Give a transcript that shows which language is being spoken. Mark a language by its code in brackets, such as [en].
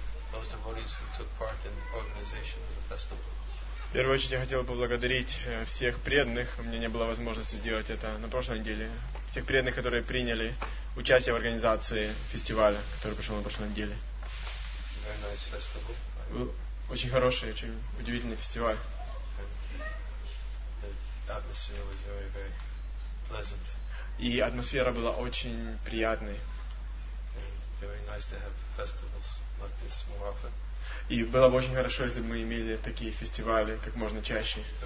[en] Those devotees who took part in the organization of the festival. [ru] В первую очередь я хотел бы поблагодарить всех преданных. У меня не было возможности сделать это на прошлой неделе. Всех преданных, которые приняли участие в организации фестиваля, который прошел на прошлой неделе. [en] Very nice festival. [ru] Очень хороший, очень удивительный фестиваль. [en] The atmosphere was very, very pleasant. [ru] И атмосфера была очень приятной. [en] Very nice to have festivals like this more often. [ru] И было бы очень хорошо, если бы мы имели такие фестивали как можно чаще.